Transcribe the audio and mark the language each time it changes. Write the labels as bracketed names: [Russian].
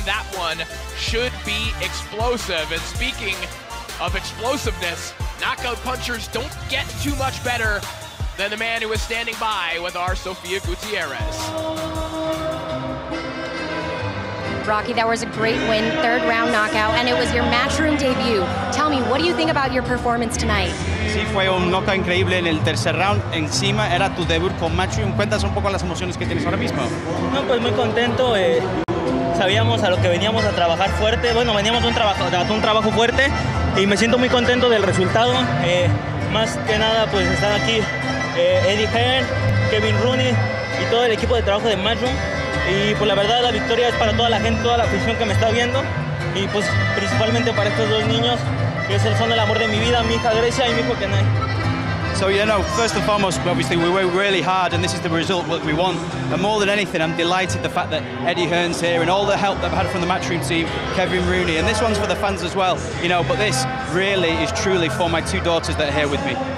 [English] That one should be explosive. And speaking of explosiveness, knockout punchers don't get too much better than the man who is standing by with our Sofia Gutierrez. Rocky, that was a great win, third round knockout, and it was your matchroom debut. Tell me, what do you think about your performance tonight? [Spanish] Sí, fue un knockout increíble en el tercer round. Encima, era tu debut con matchroom. Cuéntanos un poco las emociones que tienes ahora mismo. No, pues muy contento. Sabíamos a lo que veníamos a trabajar fuerte. Bueno, veníamos de un trabajo fuerte y me siento muy contento del resultado. Más que nada, pues están aquí Eddie Hearn, Kevin Rooney y todo el equipo de trabajo de matchroom. Y pues la verdad la victoria es para toda la gente, toda la afición que me está viendo y pues principalmente para estos dos niños que es el son del amor de mi vida, mi hija Grecia y mi hijo Kenai. [English] So you know, first and foremost, obviously we worked really hard and this is the result that we want. And more than anything, I'm delighted the fact that Eddie Hearn's here and all the help that I've had from the matchroom team, Kevin Rooney, and this one's for the fans as well, you know, but this really is truly for my two daughters that are here with me.